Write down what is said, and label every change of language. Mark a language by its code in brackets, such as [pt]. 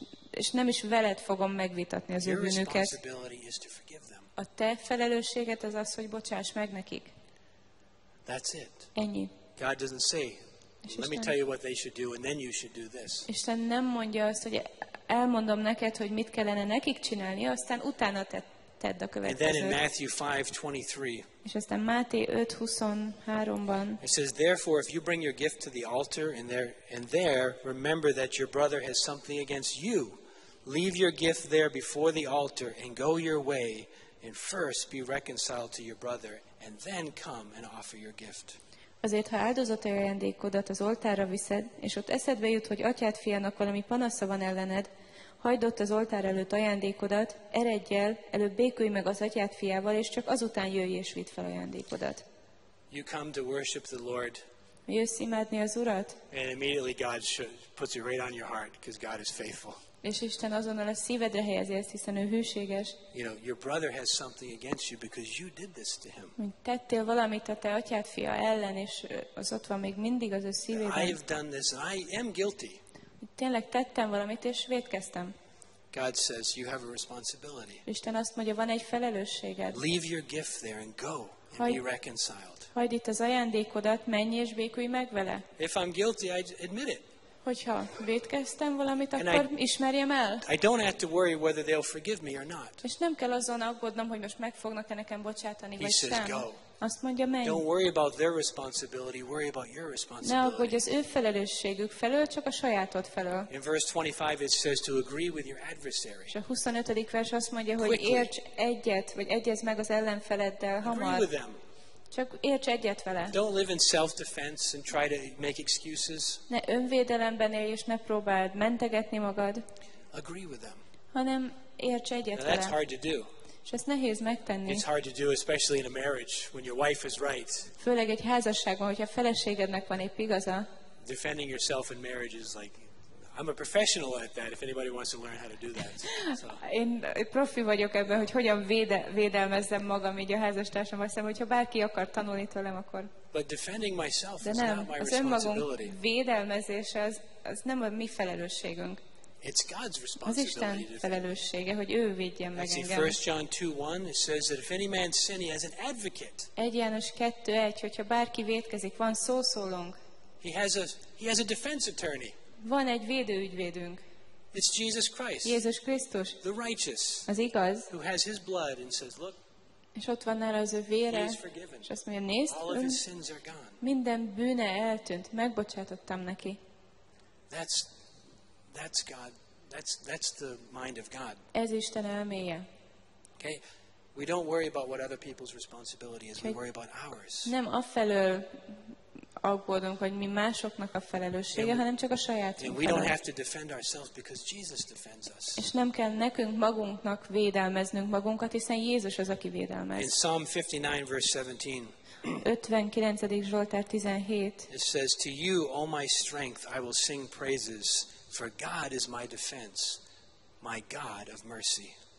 [hu] És nem is veled fogom megvitatni az ő bűnöket. A te felelősséged az az, hogy bocsáss meg nekik. [en] That's it. [hu] Ennyi. [en] God doesn't say, let me tell you what they should do, and then you should do this. [hu] Isten nem mondja azt, hogy elmondom neked, hogy mit kellene nekik csinálni, aztán utána tedd a következőt. [en] And then in Matthew 5:23. [hu] És aztán Máté 5:23-ban. [en] It says, therefore, if you bring your gift to the altar and there, remember that your brother has something against you. Leave your gift there before the altar and go your way and first be reconciled to your brother and then come and offer your gift. [hu] Azért, ha áldozati ajándékodat az oltárra viszed, és ott eszedbe jut, hogy atyád fiának valami panasza van ellened, hagyd ott az oltár előtt ajándékodat, eredj el, előbb békülj meg az atyád fiával, és csak azután jöjj és vidd fel ajándékodat. [en] You come to worship the Lord. [hu] Jössz imádni az Urat. [en] And immediately God puts it right on your heart, because God is faithful. [hu] És Isten azonnal a szívedre helyezi ezt, hiszen ő hűséges. [en] You know, your brother has something against you because you did this to him. [hu] Tettél valamit a te atyád fia ellen, és az ott van még mindig az ő szívében. [en] I have done this, I am guilty. [hu] Tényleg tettem valamit, és vétkeztem. [en] God says, you have a responsibility. [hu] Isten azt mondja, van egy felelősséged. [en] Leave your gift there and go and be reconciled. [hu] Hagyd itt az ajándékodat, menj és békülj meg vele. [en] If I'm guilty, I admit it. [hu] Hogyha vétkeztem valamit, akkor ismerjem el. [en] I don't have to worry whether they'll forgive me or not. [hu] És nem kell azon aggódnom, hogy most meg fognak-e nekem bocsátani, vagy sem. [en] He says, go. [hu] Azt mondja, menj. [en] Don't worry about their responsibility, worry about your responsibility. [hu] Ne aggódj az ő felelősségük felől, csak a sajátod felől. [en] In verse 25 it says to agree with your adversary. [hu] És a 25. vers azt mondja, hogy érts egyet, vagy egyezz meg az ellenfeleddel hamar. [en] Agree with them. [hu] Csak érts egyet vele. [en] Don't live in self-defense and try to make excuses. [hu] Ne önvédelemben élj, és ne próbáld mentegetni magad. [en] Agree with them. [hu] Hanem érts egyet [en] now [hu] vele. [en] That's hard to do. [hu] És ezt nehéz megtenni. [en] It's hard to do, especially in a marriage, when your wife is right. [hu] Főleg egy házasságban, hogyha feleségednek van épp igaza. [en] Defending yourself in marriage is like, I'm a professional at that, if anybody wants to learn how to do that. [hu] Én profi vagyok ebben, hogy hogyan védelmezzem magam így a házastársam, azt hiszem, hogyha bárki akar tanulni tőlem, akkor... [en] But defending myself is [hu] nem, [en] not my [hu] az [en] responsibility. [hu] Önmagunk védelmezése az nem a mi felelősségünk. [en] It's God's responsibility. [hu] Az Isten felelőssége, hogy ő védjen meg engem. [en] 1 John 2:1 it says that if any man sin, he has an advocate. [hu] 1 János 2:1, hogyha bárki vétkezik, van szószólónk. [en] He has a defense attorney. [hu] Van egy védőügyvédünk. [en] It's Jesus Christ. [hu] Jézus Krisztus. [en] The righteous. [hu] Az igaz. [en] Who has his blood and says, look. [hu] És ott van nála az ő vére. [en] He is forgiven. [hu] És azt mondja, nézd, [en] all of his sins are gone. [hu] Minden bűne eltűnt, megbocsátottam neki. [en] That's God. That's the mind of God. [hu] Ez Isten elméje. [en] Okay. We don't worry about what other people's responsibility is. We worry about ours. [hu] Nem afelől aggódunk, hogy mi másoknak a felelőssége, hanem csak a sajátunk. [en] And we don't have to defend ourselves because Jesus defends us. [hu] És nem kell nekünk magunknak védelmeznünk magunkat, hiszen Jézus az, aki védelmez. [en] In Psalm 59 verse 17. [hu] 59. Zsoltár 17. [en] It says to you, O my strength, I will sing praises. For God is my defense, my God of mercy.